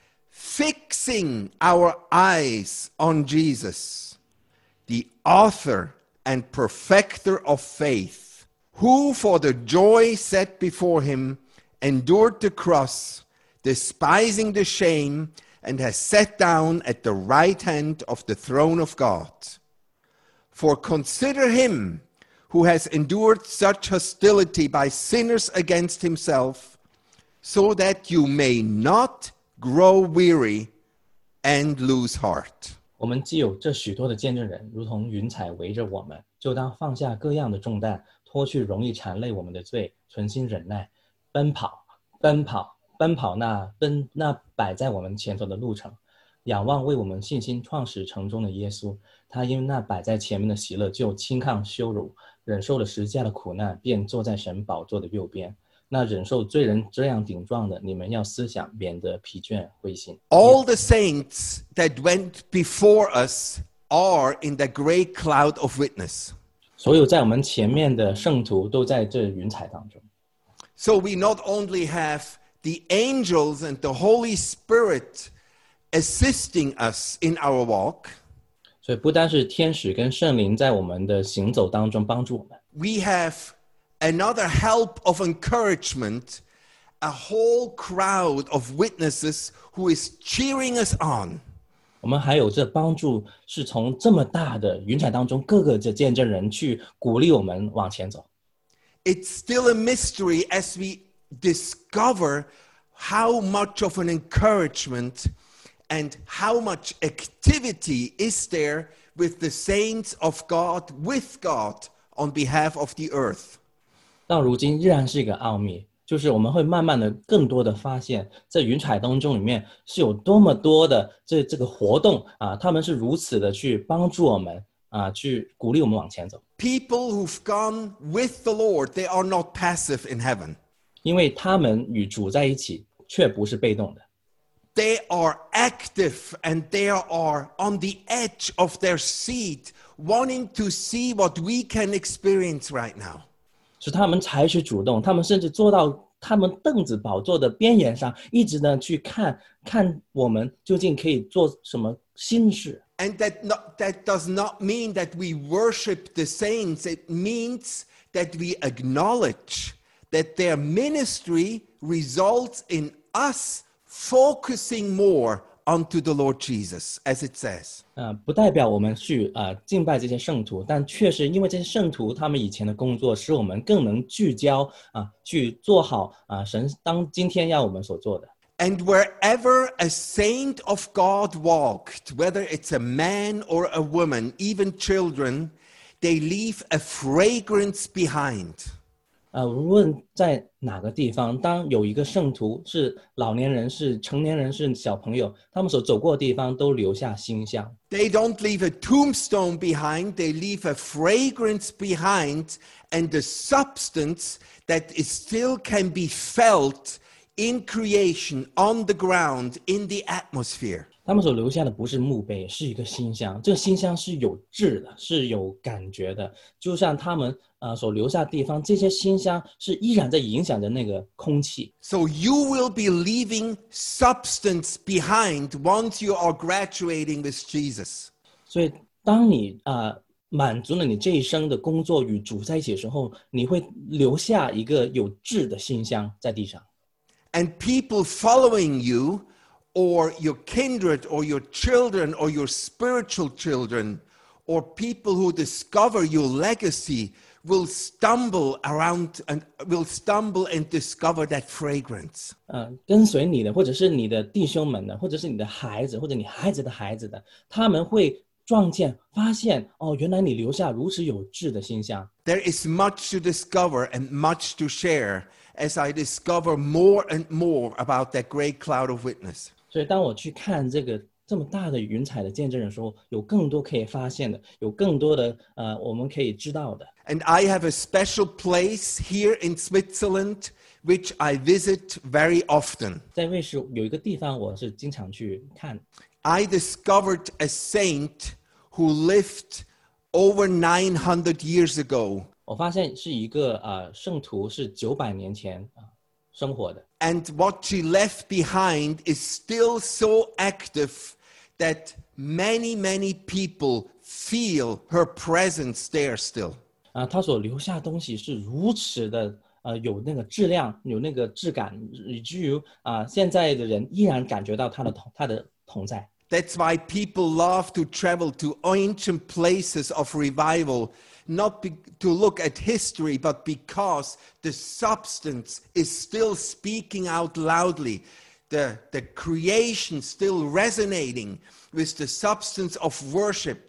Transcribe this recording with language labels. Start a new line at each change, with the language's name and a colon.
English: fixing our eyes on Jesus, the author and perfecter of faith, who for the joy set before him endured the cross, despising the shame, and has sat down at the right hand of the throne of God. For consider him who has endured such hostility by sinners against himself, so that you may not grow weary and lose heart.
Chinese: 我们既有这许多的见证人，如同云彩围着我们，就当放下各样的重担，脱去容易缠累我们的罪，存心忍耐，奔跑。奔跑，奔跑那摆在我们前头的路程。仰望为我们信心创始成终的耶稣，他因那摆在前面的喜乐就轻抗羞辱，忍受了十字架的苦难，便坐在神宝座的右边。那忍受罪人这样顶撞的，你们要思想，免得疲倦灰心。
English: All the saints that went before us are in the great cloud of witness.
Chinese: 所有在我们前面的圣徒都在这云彩当中。
English: So we not only have the angels and the Holy Spirit assisting us in our walk.
Chinese: 所以不单是天使跟圣灵在我们的行走当中帮助我们。
English: We have another help of encouragement, a whole crowd of witnesses who is cheering us on.
Chinese: 我们还有这帮助是从这么大的云彩当中各个的见证人去鼓励我们往前走。
English: It's still a mystery as we discover how much of an encouragement and how much activity is there with the saints of God, with God, on behalf of the earth.
Chinese: 到如今依然是一个奥秘，就是我们会慢慢的更多的发现，在云彩当中里面是有多么多的这个活动啊，他们是如此的去帮助我们。去鼓励我们往前走。
English: People who've gone with the Lord, they are not passive in heaven.
Chinese: 因为他们与主在一起却不是被动的。
English: They are active and they are on the edge of their seat, wanting to see what we can experience right now.
Chinese: 是他们采取主动，他们甚至坐到他们凳子宝座的边沿上，一直呢去看我们究竟可以做什么新事。
English: And that does not mean that we worship the saints. It means that we acknowledge that their ministry results in us focusing more onto the Lord Jesus, as it says.
Chinese: 不代表我们去敬拜这些圣徒，但确实因为这些圣徒他们以前的工作，使我们更能聚焦去做好神当今天要我们所做的。
English: And wherever a saint of God walked, whether it's a man or a woman, even children, they leave a fragrance behind.
Chinese: 无论在哪个地方，当有一个圣徒是老年人、是成年人、是小朋友，他们所走过的地方都留下馨香。
English: They don't leave a tombstone behind, they leave a fragrance behind, and the substance that is still can be felt in creation, on the ground, in the atmosphere.
Chinese: 他们所留下的不是墓碑，是一个馨香。这个馨香是有质的，是有感觉的。就像他们所留下的地方，这些馨香是依然在影响着那个空气。
English: So you will be leaving substance behind once you are graduating with Jesus.
Chinese: 所以当你满足了你这一生的工作与主在一起的时候，你会留下一个有质的馨香在地上。
English: And people following you, or your kindred, or your children, or your spiritual children, or people who discover your legacy, will stumble around and will stumble and discover that fragrance.
Chinese: 跟随你的，或者是你的弟兄们的，或者是你的孩子，或者你孩子的孩子的，他们会撞见，发现哦，原来你留下如此有质的馨香。
English: There is much to discover and much to share. As I discover more and more about that great cloud of witness.
Chinese: 所以当我去看这个这么大的云彩的见证人的时候，有更多可以发现的，有更多的我们可以知道的。
English: And I have a special place here in Switzerland, which I visit very often.
Chinese: 在瑞士有一个地方我是经常去看。
English: I discovered a saint who lived over 900 years ago.
Chinese: 我发现是一个圣徒是900年前生活的。
English: And what she left behind is still so active that many, many people feel her presence there still.
Chinese: 她所留下的东西是如此的有那个质量，有那个质感，以至于现在的人依然感觉到她的同在。
English: That's why people love to travel to ancient places of revival. Not to look at history, but because the substance is still speaking out loudly. The creation still resonating with the substance of worship.